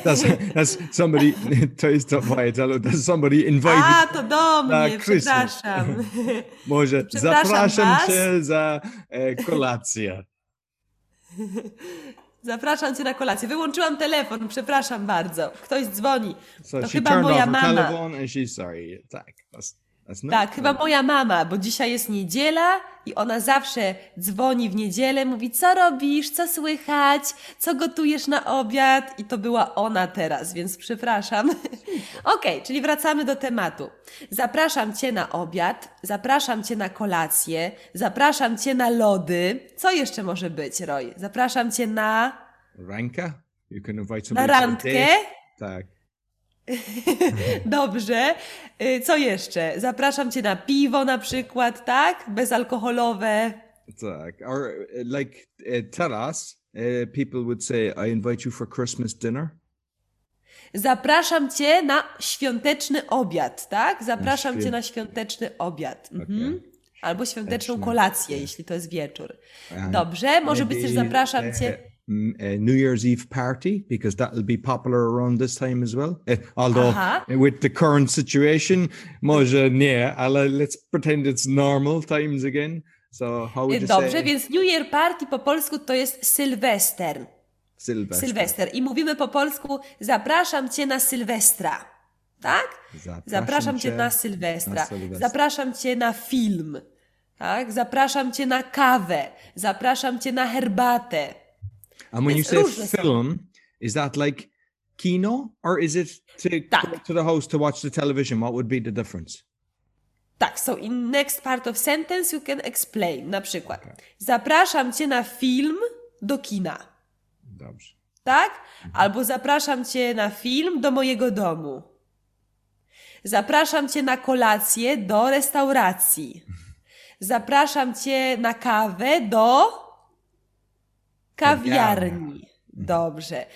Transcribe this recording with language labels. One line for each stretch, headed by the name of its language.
English: That's somebody,
Polish: to jest to moje telo,
English: that's somebody invited.
Polish: A, to do mnie, przepraszam. Może zapraszam cię za kolację. Zapraszam cię na kolację. Wyłączyłam telefon, przepraszam bardzo. Ktoś dzwoni.
English: So
Polish: to chyba moja mama.
English: Telephone and she's sorry. Tak, that's not tak cool.
Polish: Chyba moja mama, bo dzisiaj jest niedziela. I ona zawsze dzwoni w niedzielę, mówi, co robisz, co słychać, co gotujesz na obiad. I to była ona teraz, więc przepraszam. Okej, okay, czyli wracamy do tematu. Zapraszam cię na obiad, zapraszam cię na kolację, zapraszam cię na lody. Co jeszcze może być, Roy? Zapraszam cię na...
English: Ranka? You can invite somebody
Polish: na randkę? Tak. Dobrze. Co jeszcze? Zapraszam cię na piwo na przykład, tak? Bezalkoholowe. Tak.
English: Or like teraz people would say I invite you for Christmas dinner.
Polish: Zapraszam cię na świąteczny obiad, tak? Zapraszam cię na świąteczny obiad. Mhm. Okay. Albo świąteczną kolację, jeśli to jest wieczór. Dobrze, może być też zapraszam cię.
English: New Year's Eve party, because that will be popular around this time as well. Although with the current situation,
Polish: może nie, ale
English: let's pretend it's normal times again. So how would you
Polish: Dobrze, więc
English: New Year party
Polish: po polsku to jest Sylwester. Sylwester. Sylwester. I mówimy po polsku, zapraszam cię na Sylwestra. Tak? Zapraszam cię na Sylwestra. Zapraszam cię na film. Tak? Zapraszam cię na kawę. Zapraszam cię na herbatę.
English: And when you say film, is that like kino or is it to go to the house to watch the television? What would be the difference? Tak, so in next part of sentence you can explain.
Polish: Na przykład, zapraszam cię na film do kina. Dobrze. Tak? Albo zapraszam cię na film do mojego domu. Zapraszam cię na kolację do restauracji. Zapraszam cię na kawę do kawiarni. Dobrze.